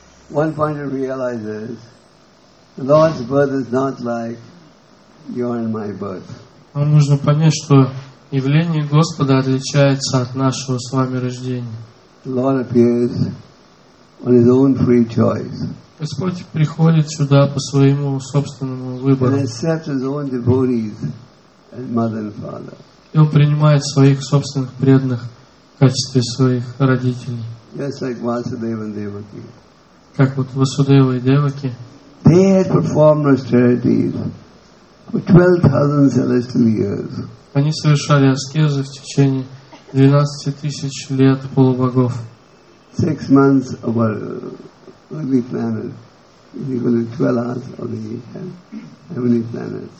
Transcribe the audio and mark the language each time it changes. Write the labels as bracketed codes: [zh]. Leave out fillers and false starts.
[en] One point to realize is the Lord's birth is not like your and my birth. [ru] Нам нужно понять, что явление Господа отличается от нашего с вами рождения. [en] The Lord appears on his own free choice. [ru] Господь приходит сюда по своему собственному выбору. [en] And accepts his own devotees as mother and father. [ru] И он принимает своих собственных преданных в качестве своих родителей. [en] Just like Vasudeva and Devaki. [ru] Как вот Васудева и Деваки. [en] They had performed austerities for 12,000 celestial years. [ru] Они совершали аскезы в течение 12,000 лет полубогов. [en] 6 months of our earthly planet is equal to 12 hours of the heavenly planet.